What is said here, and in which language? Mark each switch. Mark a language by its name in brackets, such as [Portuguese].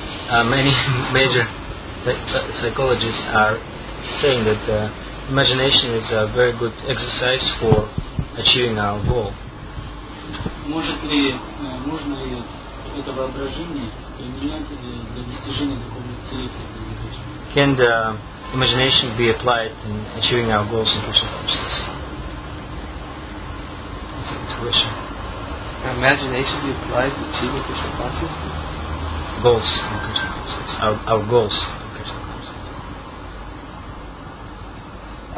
[English] Many major psychologists are saying that imagination is a very good exercise for achieving our goal. [Russian] Может ли, можно ли это воображение применять для достижения духовной цели? [English] Can the imagination be applied in achieving our goals in Krishna consciousness? That's a question. Can imagination be applied to achieving Krishna consciousness? Goals in Krishna consciousness. Our goals in Krishna consciousness.